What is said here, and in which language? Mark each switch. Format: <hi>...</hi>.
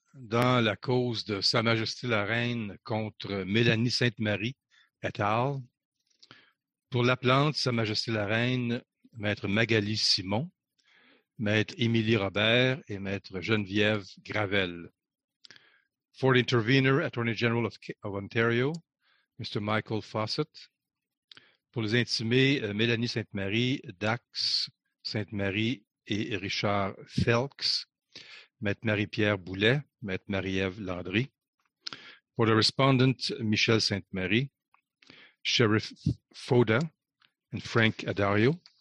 <fr>Dans la cause de Sa Majesté la Reine contre Mélanie Sainte-Marie et al., pour l'appelante, Sa Majesté la Reine, Maître Magali Simon, Maître Émilie Robert et Maître Geneviève Gravel.</fr> <en>For the intervener, Attorney General of Ontario, Mr. Michael Fawcett.</en> <fr>Pour les intimés, Mélanie Sainte-Marie, Dax Sainte-Marie et Richard Felks. Maître Marie-Pierre Boulet, Maître Marie-Ève Landry.</fr> <en>For the respondent, Michel Sainte-Marie, Sheriff Foda and Frank Adario.</en>